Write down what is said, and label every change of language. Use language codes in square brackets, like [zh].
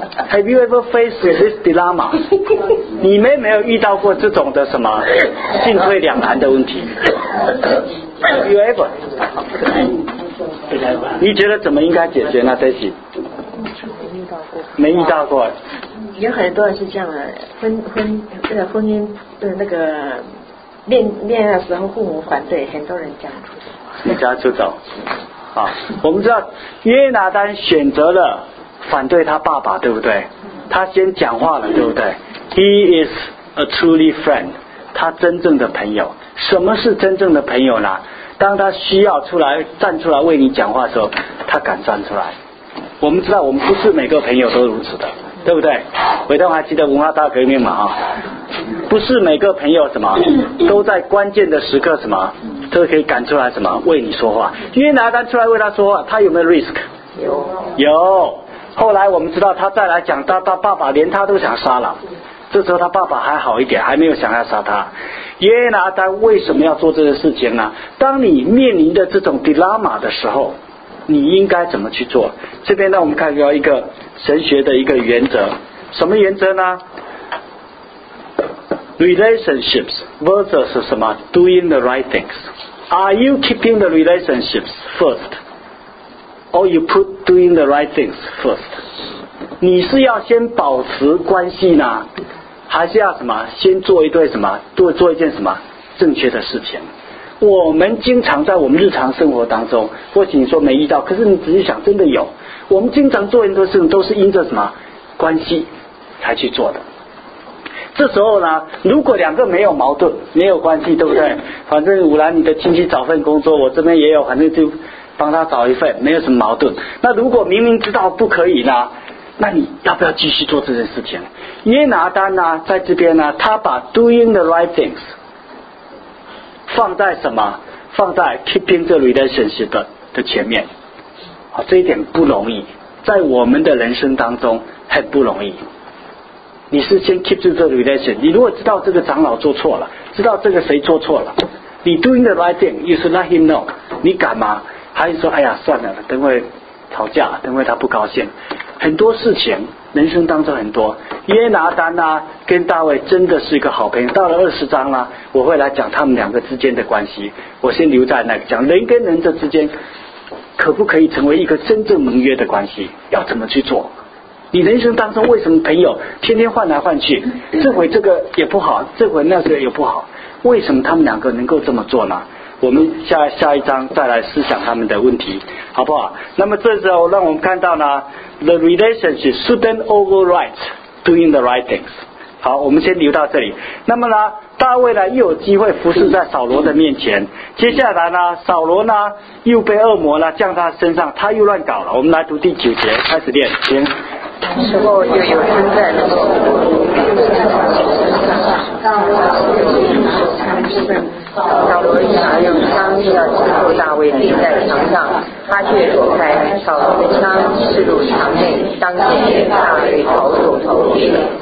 [en] Have you ever faced this dilemma? [zh] 你们没有遇到过这种的什么进退两难的问题？ [en] Have you ever? [zh] 你觉得怎么应该解决呢？这些没遇到过，没遇到过。有很多人是这样的，婚姻那个恋爱的时候，父母反对，很多人这样离家出走。啊，我们知道约拿丹选择了反对他爸爸，对不对？他先讲话了，对不对？ [en] He is a truly friend， [zh] 他真正的朋友。什么是真正的朋友呢？当他需要出来站出来为你讲话的时候，他敢站出来。我们知道我们不是每个朋友都如此的，对不对？伟东还记得文化大革命吗？不是每个朋友什么都在关键的时刻什么都可以赶出来什么为你说话。约拿单出来为他说话，他有没有 risk？有。后来我们知道他再来讲他爸爸连他都想杀了，这时候他爸爸还好一点，还没有想要杀他。耶拿丹为什么要做这个事情呢？当你面临的这种 dilemma 的时候，你应该怎么去做？这边呢，我们看到一个神学的一个原则，什么原则呢？ [en] Relationships versus [zh] 什么 [en] doing the right things. Are you keeping the relationships first? Or you put doing the right things first. [zh] 你是要先保持关系呢，还是要什么先做一对什么做一件什么正确的事情？我们经常在我们日常生活当中，或许你说没遇到，可是你仔细想真的有。我们经常做很多事情都是因着什么关系才去做的。这时候呢，如果两个没有矛盾没有关系，对不对？反正吾兰你的亲戚找份工作，我这边也有，反正就帮他找一份，没有什么矛盾。那如果明明知道不可以呢，那你要不要继续做这件事情？耶拿丹呢，在这边呢，他把 [en] doing the right things [zh] 放在什么？放在 [en] keeping the relationship [zh] 的前面。好，这一点不容易，在我们的人生当中很不容易。你是先 [en] keep the relationship， [zh] 你如果知道这个长老做错了，知道这个谁做错了，你 [en] doing the right thing， you should let him know， [zh] 你敢吗？还是说，哎呀，算了，等会吵架，等会他不高兴。很多事情，人生当中很多。耶拿丹啊，跟大卫真的是一个好朋友。到了20章啊，我会来讲他们两个之间的关系。我先留在那个讲人跟人这之间，可不可以成为一个真正盟约的关系？要怎么去做？你人生当中为什么朋友天天换来换去？这回这个也不好，这回那个也不好。为什么他们两个能够这么做呢？我们下一章再来思想他们的问题，好不好？那么这时候让我们看到呢 [en] ，the relationship shouldn't overwrite doing the right things。 [zh] 好，我们先留到这里。那么呢，大卫呢又有机会服侍在扫罗的面前。接下来呢，扫罗呢又被恶魔呢降在他身上，他又乱搞了。我们来读第九节，开始念，请。时候又有人在那扫罗因而用枪击了击破大卫钉在墙上，他却躲开扫罗的枪，刺入墙内，当即大卫逃走逃逸。